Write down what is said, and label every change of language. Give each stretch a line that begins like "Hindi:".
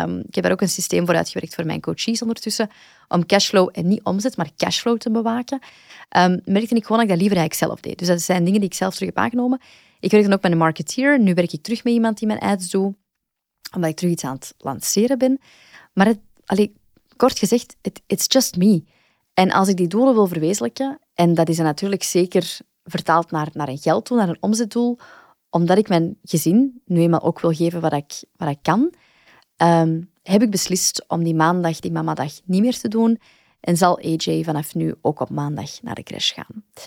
Dutch: Ik heb daar ook een systeem voor uitgewerkt voor mijn coachees ondertussen, om cashflow en niet omzet, maar cashflow te bewaken. Merkte ik gewoon dat ik dat liever eigenlijk zelf deed. Dus dat zijn dingen die ik zelf terug heb aangenomen. Ik werk dan ook met een marketeer. Nu werk ik terug met iemand die mijn ads doet, omdat ik terug iets aan het lanceren ben. Maar kort gezegd,
English: it's just me.
Dutch: En als ik die doelen wil verwezenlijken, en dat is dan natuurlijk zeker vertaald naar een gelddoel, naar een omzetdoel, omdat ik mijn gezin nu eenmaal ook wil geven wat ik kan, heb ik beslist om die maandag, die mamadag, niet meer te doen en zal AJ vanaf nu ook op maandag naar de crèche gaan.